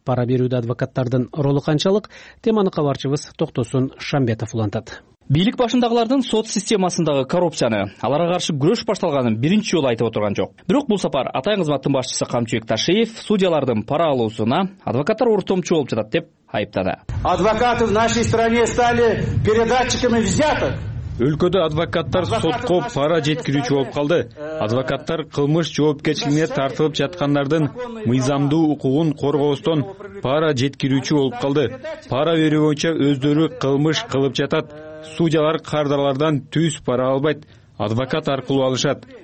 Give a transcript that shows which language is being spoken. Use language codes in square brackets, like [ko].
[ky] Пара берүүдө адвокаттардын ролу канчалык? Теманы кабарчыбыз Токтосун Шамбетов улантат. Бийлик башындагылардын сот системасындагы коррупцияны, аларга каршы күрөш башталганын биринчи жолу айтып отурган жок. Бирок бул сапар атайын кызматтын башчысы Камчыбек Ташиев судьялардын пара алуусуна адвокаттар ортомчу болуп жатат деп айыптады. [ru] Адвокаты в нашей стране стали передатчиками взяток. [ky] Өлкөдө адвокаттар сотко пара жеткирүүчү болуп калды. Адвокаттар кылмыш жоопкерчилигине тартылып жаткандардын мыйзамдуу укугун коргоостон пара жеткирүүчү болуп калды. Пара берүү боюнча өздөрү кылмыш кылып жатат. Судьялар кардарлардан түз пара албайт, адвокат аркылуу алышат.